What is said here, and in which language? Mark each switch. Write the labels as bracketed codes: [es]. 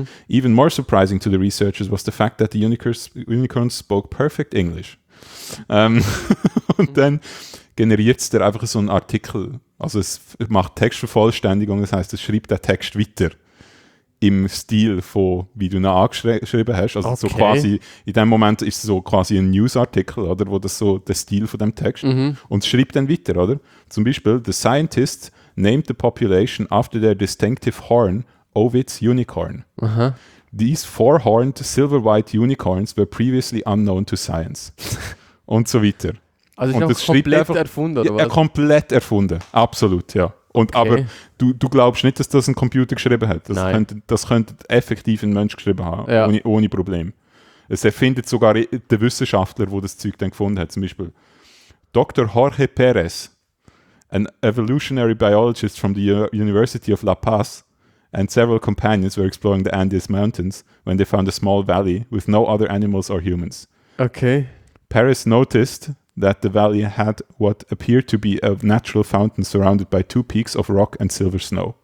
[en] Even more surprising to the researchers was the fact that the unicorns spoke perfect English. [de] und dann generiert es dir einfach so einen Artikel. Also es macht Textvervollständigung, das heisst, es schreibt den Text weiter im Stil von, wie du ihn angeschrieben hast. Also okay. So quasi, in dem Moment ist es so quasi ein Newsartikel, oder, wo das so der Stil von dem Text mhm. und es schreibt dann weiter, oder? Zum Beispiel, [en] the scientist named the population after their distinctive horn, Ovid's unicorn. Aha. These four-horned silver-white unicorns were previously unknown to science. [de] Und so weiter. Also ist das komplett einfach, erfunden, oder was? Ja, komplett erfunden, absolut, ja. Und okay. Aber du glaubst nicht, dass das ein Computer geschrieben hat. Das könnte effektiv ein Mensch geschrieben haben, ja. ohne Problem. Es erfindet sogar der Wissenschaftler, der das Zeug dann gefunden hat. Zum Beispiel Dr. [en] Jorge Perez, an evolutionary biologist from the University of La Paz, and several companions were exploring the Andes Mountains when they found a small valley with no other animals or humans. Okay. Perez noticed that the valley had what appeared to be a natural fountain surrounded by two peaks of rock and silver snow.